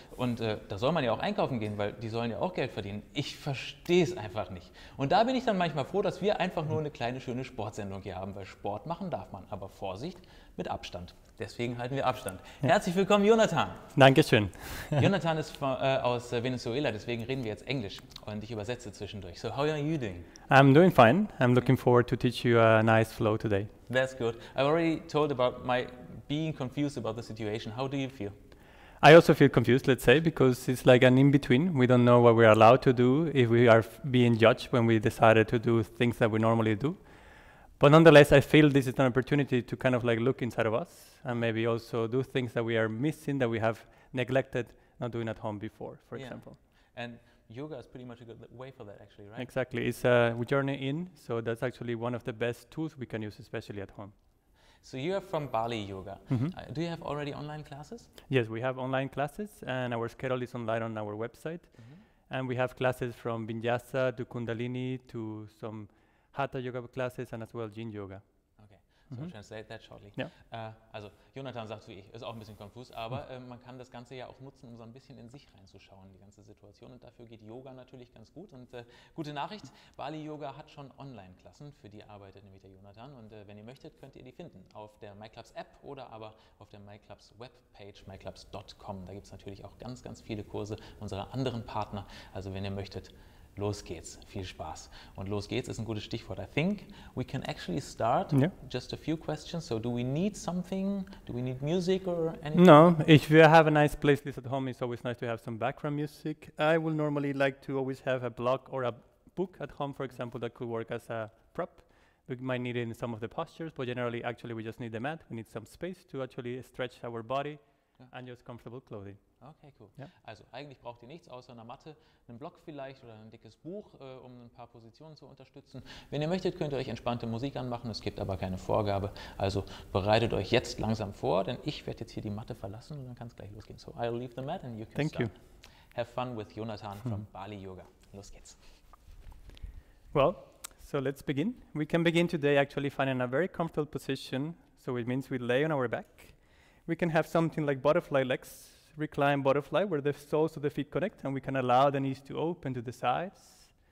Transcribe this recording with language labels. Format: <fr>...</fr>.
<de>Und da soll man ja auch einkaufen gehen, weil die sollen ja auch Geld verdienen. Ich verstehe es einfach nicht. Und da bin ich dann manchmal froh, dass wir einfach nur eine kleine, schöne Sportsendung hier haben. Weil Sport machen darf man, aber Vorsicht mit Abstand. Deswegen halten wir Abstand. Herzlich willkommen, Jonathan. Dankeschön. Jonathan ist aus Venezuela, deswegen reden wir jetzt Englisch. Und ich übersetze zwischendurch.</de> <en>So, how are you doing? I'm doing fine. I'm looking forward to teach you a nice flow today. That's good. I've already told about my being confused about the situation. How do you feel? I also feel confused, let's say, because it's like an in-between. We don't know what we're allowed to do, if we are being judged when we decided to do things that we normally do. But nonetheless, I feel this is an opportunity to kind of like look inside of us and maybe also do things that we are missing, that we have neglected not doing at home before, for example. And yoga is pretty much a good way for that, actually, right? Exactly. It's a journey in. So that's actually one of the best tools we can use, especially at home. So you are from Bali Yoga. Mm-hmm. Do you have already online classes? Yes, we have online classes and our schedule is online on our website. Mm-hmm. And we have classes from Vinyasa to Kundalini to some Hatha Yoga classes and as well Jin Yoga. Okay, so mm-hmm. I'll translate that shortly. Yeah.</en> <de>Also Jonathan sagt wie ich, ist auch ein bisschen konfus, aber man kann das Ganze ja auch nutzen, um so ein bisschen in sich reinzuschauen, die ganze Situation. Und dafür geht Yoga natürlich ganz gut. Und gute Nachricht, Bali Yoga hat schon Online-Klassen, für die arbeitet nämlich der Jonathan. Und wenn ihr möchtet, könnt ihr die finden auf der myClubs App oder aber auf der myClubs Webpage, myclubs.com. Da gibt es natürlich auch ganz, ganz viele Kurse unserer anderen Partner. Also wenn ihr möchtet, los geht's. Viel Spaß. Und los geht's ist ein gutes Stichwort.</de> <en>I think we can actually start just a few questions. So do we need something? Do we need music or anything? No. If you have a nice playlist at home, it's always nice to have some background music. I will normally like to always have a block or a book at home, for example, that could work as a prop. We might need it in some of the postures, but generally, actually, we just need the mat. We need some space to actually stretch our body and just comfortable clothing. Okay, cool. Ja.</en> <de>Also eigentlich braucht ihr nichts außer einer Matte, einen Block vielleicht oder ein dickes Buch, um ein paar Positionen zu unterstützen. Wenn ihr möchtet, könnt ihr euch entspannte Musik anmachen, es gibt aber keine Vorgabe. Also bereitet euch jetzt langsam vor, denn ich werde jetzt hier die Matte verlassen und dann kann es gleich losgehen.</de> <en>So I'll leave the mat and you can Thank start. You. Have fun with Jonathan from Bali Yoga.</en> <de>Los geht's.</de> <en>Well, so let's begin. We can begin today actually finding a very comfortable position. So it means we lay on our back. We can have something like butterfly legs, recline butterfly, where the soles of the feet connect, and we can allow the knees to open to the sides.</en>